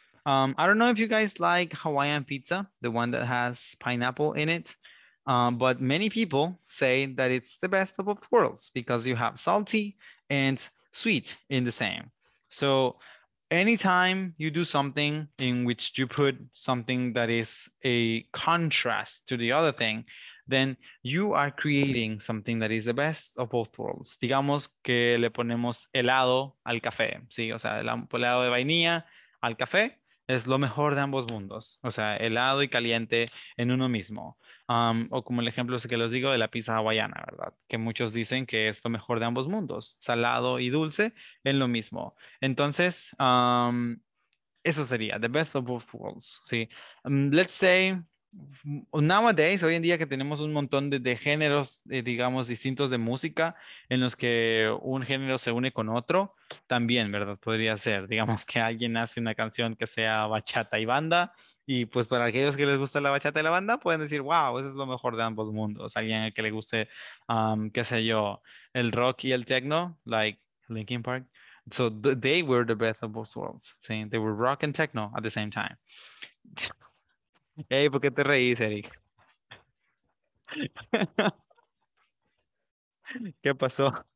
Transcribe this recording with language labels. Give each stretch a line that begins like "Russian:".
English: I don't know if you guys like Hawaiian pizza, the one that has pineapple in it, but many people say that it's the best of both worlds because you have salty and sweet in the same. So anytime you do something in which you put something that is a contrast to the other thing, then you are creating something that is the best of both worlds.
Spanish: Digamos que le ponemos helado al café, ¿sí? O sea, helado de vainilla al café. Es lo mejor de ambos mundos, o sea, helado y caliente en uno mismo. O como el ejemplo que les digo de la pizza hawaiana, ¿verdad? Que muchos dicen que es lo mejor de ambos mundos, salado y dulce en lo mismo. Entonces, eso sería,
English: the best of both worlds,
Spanish: ¿sí?
English: Let's say, nowadays,
Spanish: hoy en día que tenemos un montón de géneros, digamos, distintos de música, en los que un género se une con otro, también, ¿verdad? Podría ser, digamos, que alguien hace una canción que sea bachata y banda, y pues para aquellos que les gusta la bachata y la banda, pueden decir, wow, eso es lo mejor de ambos mundos. Alguien que le guste, qué sé yo, el rock y el techno, like Linkin Park.
English: So they were the best of both worlds, ¿sí? They were rock and techno at the same time.
Spanish: Hey, ¿por qué te reís, Eric? ¿Qué pasó?